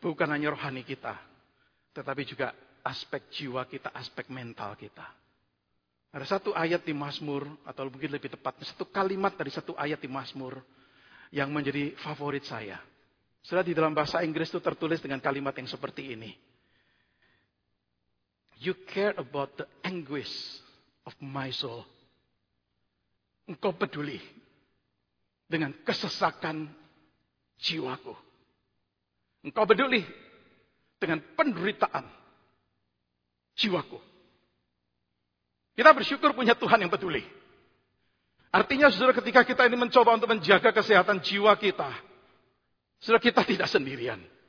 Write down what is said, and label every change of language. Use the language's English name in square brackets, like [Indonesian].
[Indonesian] Bukan hanya rohani kita, tetapi juga aspek jiwa kita, aspek mental kita. Ada satu ayat di Mazmur, atau mungkin lebih tepatnya, satu kalimat dari satu ayat di Mazmur yang menjadi favorit saya. Sudah di dalam bahasa Inggris itu tertulis dengan kalimat yang seperti ini. [English] You care about the anguish of my soul. [Indonesian] Engkau peduli dengan kesesakan jiwaku. Engkau peduli dengan penderitaan jiwaku. Kita bersyukur punya Tuhan yang peduli. Artinya saudara, ketika kita ini mencoba untuk menjaga kesehatan jiwa kita, saudara, kita tidak sendirian.